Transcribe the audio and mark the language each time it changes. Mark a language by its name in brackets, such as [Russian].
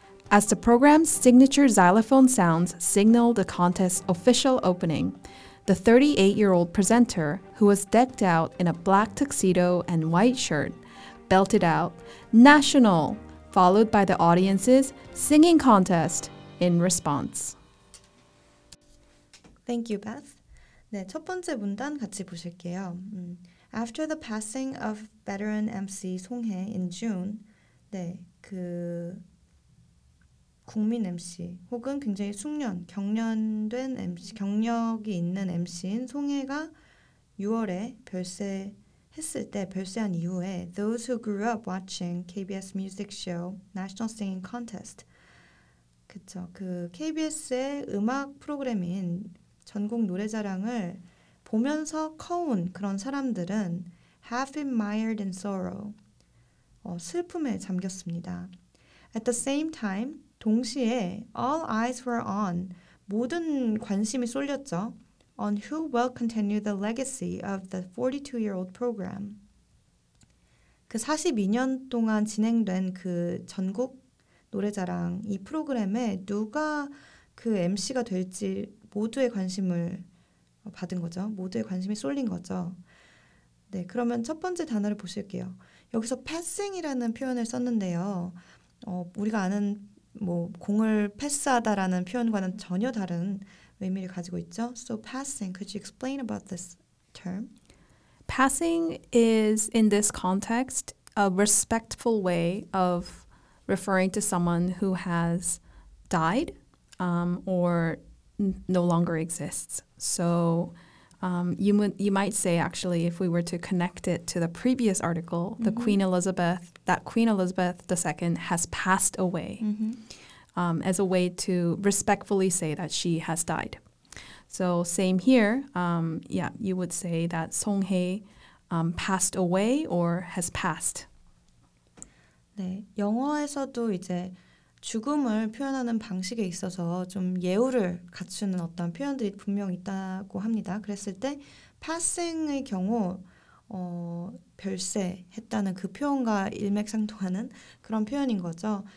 [English] As the program's signature xylophone sounds signal the contest's official opening, The 38-year-old presenter, who was decked out in a black tuxedo and white shirt, belted out, "National!" followed by the audience's singing contest in response. Thank you, Beth. [Korean] 네, 첫 번째 문단 같이 보실게요. [English] After the passing of veteran MC [Korean] 송해 [English] in June, [Korean] 네, 그 국민 MC 혹은 굉장히 숙련, 경련된 MC, 경력이 있는 MC인 송해가 6월에 별세했을 때, 별세한 이후에 [English] those who grew up watching KBS music show National Singing Contest, [Korean] 그쵸, 그 KBS의 음악 프로그램인 전국 노래자랑을 보면서 커온 그런 사람들은 [English] have been mired in sorrow, [Korean] 슬픔에 잠겼습니다. [English] At the same time, [Korean] 동시에 [English] all eyes were on, [Korean] 모든 관심이 쏠렸죠. [English] On who will continue the legacy of the 42-year-old program. [Korean] 그 42년 동안 진행된 그 전국 노래자랑 이 프로그램에 누가 그 MC가 될지 모두의 관심을 받은 거죠. 모두의 관심이 쏠린 거죠. 네, 그러면 첫 번째 단어를 보실게요. 여기서 passing이라는 표현을 썼는데요. 우리가 아는 뭐 공을 패스하다라는 표현과는 전혀 다른 의미를 가지고 있죠. [English] So passing, could you explain about this term? Passing is, in this context, a respectful way of referring to someone who has died or no longer exists. So you might say, actually, if we were to connect it to the previous article, mm-hmm. the Queen Elizabeth, that Queen Elizabeth II has passed away, mm-hmm. As a way to respectfully say that she has died. So same here. You would say that Song Hye passed away or has passed. [Korean] 네, 영어에서도 이제 죽음을 표현하는 방식에 있어서 좀 예우를 갖추는 어떤 표현들이 분명 있다고 합니다. 그랬을 때 passing의 경우 별세했다는 그 표현과 일맥상통하는 그런 표현인 거죠.